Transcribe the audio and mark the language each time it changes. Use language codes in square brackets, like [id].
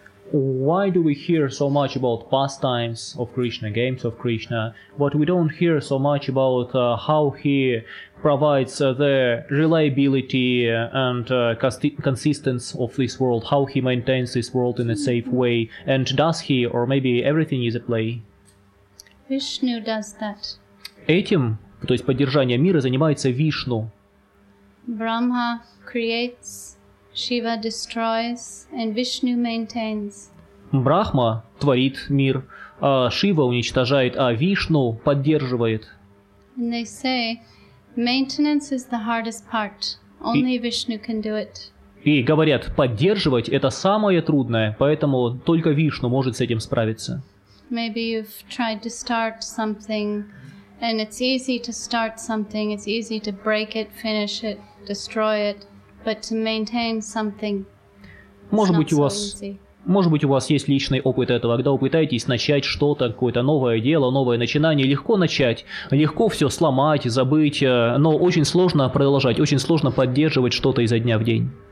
[en] Why do we hear so much about pastimes of Krishna, games of Krishna, but we don't hear so much about how he provides the reliability and consistency of this world, how he maintains this world in a safe way, and does he, or maybe everything is a play? Vishnu does that. [ru] Этим, то есть поддержанием мира, занимается Вишну. [en] Brahma creates, Shiva destroys, and Vishnu maintains. [ru] Брахма творит мир, а Шива уничтожает, а Вишну поддерживает. [en] And they say, maintenance is the hardest part. Only Vishnu can do it. [ru] И говорят, поддерживать это самое трудное, поэтому только Вишну может с этим справиться. [en] Maybe you've tried to start something, and it's easy to start something, it's easy to break it, finish it, destroy it, but to maintain something. [ru] Может быть, у вас есть личный опыт этого, когда вы пытаетесь начать что-то, какое-то новое дело, новое начинание, легко начать, легко все сломать, забыть, но очень сложно продолжать, очень сложно поддерживать что-то изо дня в день.